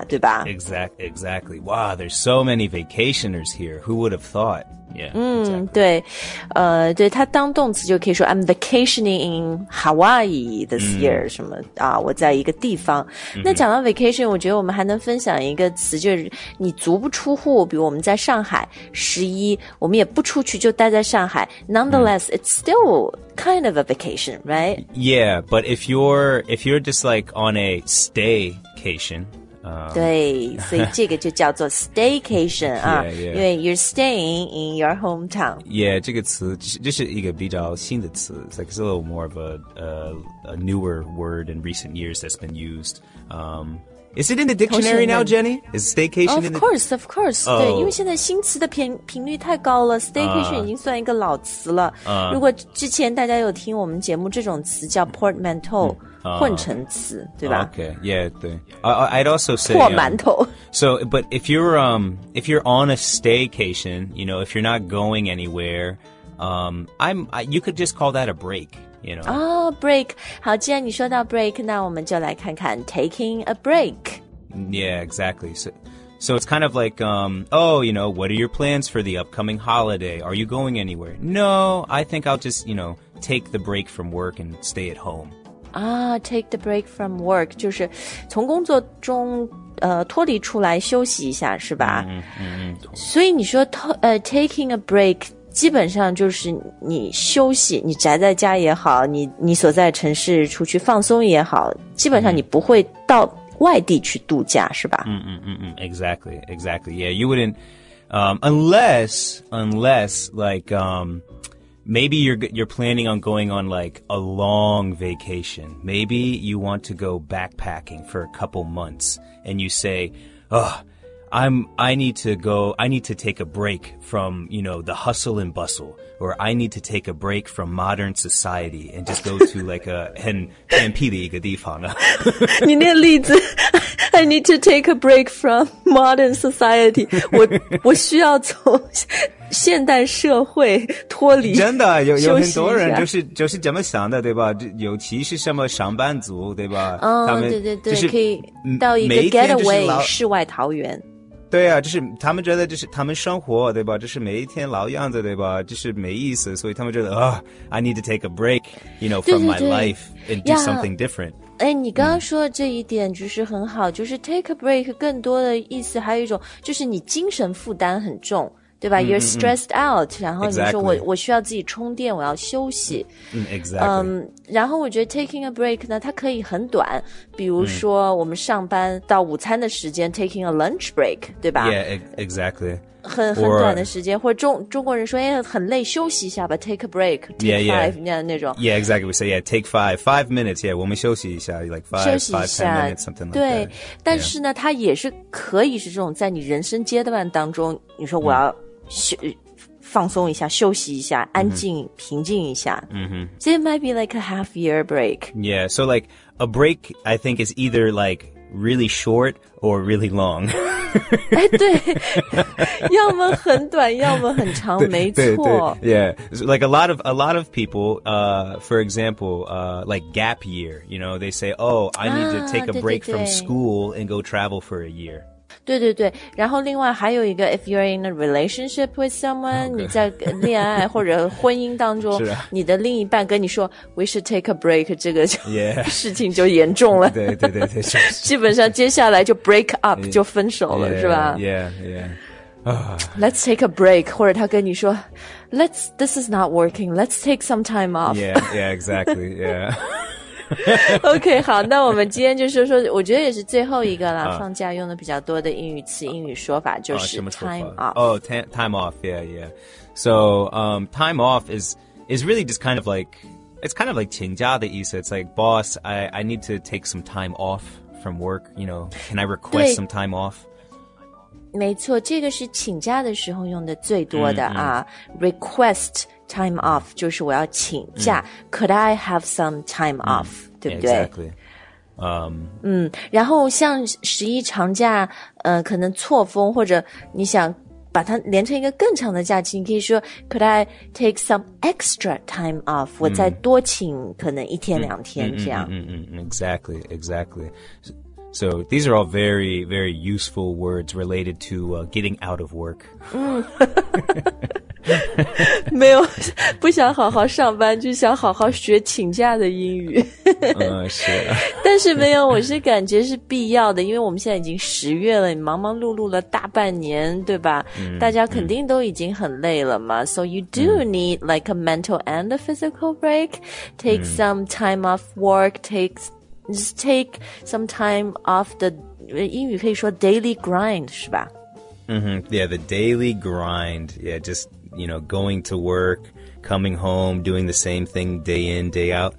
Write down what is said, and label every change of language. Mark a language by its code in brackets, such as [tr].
[en] yeah, [zh] 对吧 [en] ？Exactly. Wow, there's so many vacationers here. Who would have thought? Yeah. [zh] 对，对他当动词就可以说 [en] I'm vacationing in Hawaii this year [zh] 什么啊，我在一个地方。 Mm-hmm. 那讲到 vacation， 我觉得我们还能分享一个词，就是你足不出户，比如我们在上海十一，我们也不出去，就待在上海。 [en] Nonetheless,、mm-hmm. it's still kind of a vacation, right? Yeah, but if you're just like on a staycation. [zh] 对所以这个就叫做 staycation 啊 [en] yeah, yeah. [zh] 因为 [en] you're staying in your hometown Yeah [zh] 这个词这是一个比较新的词 [en] It's like it's a little more of a newer word in recent years that's been used Is it in the dictionary now, Jenny? Is staycation in the... Of course.、Oh. [zh] 对因为现在新词的频率太高了 staycation 已经算一个老词了、如果之前大家有听我们节目这种词叫 portmanteau、混成词对吧 [en] Okay, yeah, [zh] 对 [en] I'd also say [zh] 破馒头 [en] So, but if you're on a staycation, you know, if you're not going anywhere, you could just call that a break. You know. Oh, break. 好，既然你说到 break, 那我们就来看看 taking a break. Yeah, exactly. So it's kind of like, oh, you know, what are your plans for the upcoming holiday? Are you going anywhere? No, I think I'll just, you know, take the break from work and stay at home. Ah, take the break from work. [zh] 就是从工作中脱离出来休息一下是吧、所以你说taking a break,基本上就是你休息你宅在家也好你所在城市出去放松也好基本上你不会到外地去度假是吧 [en] Exactly. Yeah, you wouldn't, unless, like, maybe you're planning on going on like a long vacation. Maybe you want to go backpacking for a couple months and you say, ugh,I need to take a break from, you know, the hustle and bustle, or I need to take a break from modern society and just go to like a [zh] 很偏僻的一个地方啊。你那例子 [en] I need to take a break from modern society. [zh] 我需要从现代社会脱离。真的，有很多人就是这么想的，对吧？尤其是什么上班族，对吧？对对对，可以到一个 getaway 世外桃源。对啊，就是他们觉得就是他们生活，对吧？就是每一天老样子，对吧？就是没意思，所以他们觉得啊 [en] ，I need to take a break, you know, from my life and do something different. [zh] 哎，你刚刚说的这一点就是很好，就是 take a break 更多的意思还有一种就是你精神负担很重。对吧 ？ [en] You're stressed out， [zh] 然后你说我需要自己充电，我要休息。然后我觉得 taking a break 呢，它可以很短，比如说我们上班到午餐的时间 taking a lunch break， 对吧 [en] ？Yeah, exactly. [zh] 很短的时间，或者中国人说哎很累，休息一下吧 ，take a break， take five 那种。 [en] Yeah, exactly. We say yeah, take five minutes. Yeah, [zh] 我们休息一下 [en] ，like five ten minutes something like that. [zh] 对，但是呢，它也是可以是这种在你人生阶段当中，你说我要。放松一下休息一下安静、mm-hmm. 平静一下、 mm-hmm. [en] So it might be like a half year break. Yeah, so like a break I think is either like really short or really long. [zh] 哎，对，要么很短要么很长没错。对对 [en] Yeah, so, like a lot of people, for example, like gap year, you know, they say, oh, I need to take a break from school and go travel for a year. [zh] 对对对，然后另外还有一个 [en] if you're in a relationship with someone、 okay. [zh] 你在恋爱或者婚姻当中、啊、你的另一半跟你说 [en] we should take a break [zh] 这个就、 [en] yeah. [zh] 事情就严重了对对对对，是基本上接下来就 break up 就分手了 [en] yeah, [zh] 是吧 [en] yeah yeah、 let's take a break [zh] 或者他跟你说 [en] this is not working let's take some time off yeah yeah exactly yeah [zh] OK, 好，那我们今天就是说，我觉得也是最后一个了。放假用的比较多的英语词、英语说法就是 time off. [en] Oh, time off, yeah, yeah. So, time off is really just kind of like, it's kind of like [zh] 请假的意思. [en] It's like, boss, I need to take some time off from work, you know, can I request some time off? [zh] 没错，这个是请假的时候用的最多的啊、request time off 就是我要请假、 [en] could I have some time off、 [zh] 对不对 [en] exactly、 [zh] 然后像十一长假可能错峰或者你想把它连成一个更长的假期你可以说 [en] could I take some extra time off [zh] 我再多请可能一天两天这样 [en] exactly So these are all very, very useful words related to、getting out of work. [zh] 没有，不想好好上班，就想好好学请假的英语。是。但是没有，我是感觉是必要的，因为我们现在已经十月了，忙忙碌碌了大半年，对吧？大家肯定都已经很累了嘛。 [en] So you do need like a mental and a physical break. Take some time off work. Just take some time off the [zh] 英语可以说 [en] daily grind [zh] 是吧 [en] Yeah, the daily grind. Yeah, just, you know, going to work, coming home, doing the same thing day in, day out.